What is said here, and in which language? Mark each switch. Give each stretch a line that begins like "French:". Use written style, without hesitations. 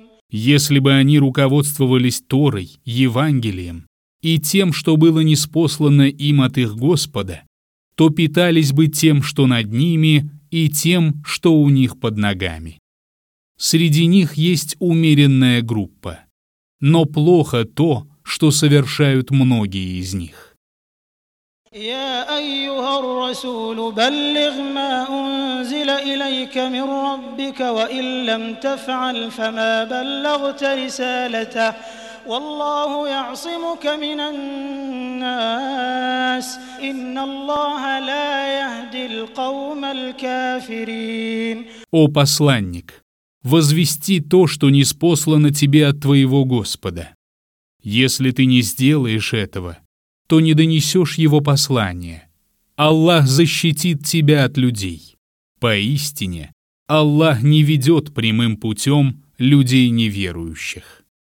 Russian: Если бы они руководствовались Торой, Евангелием и тем, что было ниспослано им от их Господа, то питались бы тем, что над ними, и тем, что у них под ногами. Среди них есть умеренная группа, но плохо то, что совершают многие из них.
Arabic: يا أيها الرسول بلغ ما أنزل إليك من ربك وإن لم تفعل فما بلغت رسالته والله يعصمك من الناس إن الله لا يهدي القوم الكافرين.
Russian: О посланник, возвести то, что ниспослано тебе от твоего Господа. Если ты не сделаешь этого, то не донесешь его послание. Аллах защитит тебя от людей. Поистине, Аллах не ведет прямым путем людей неверующих.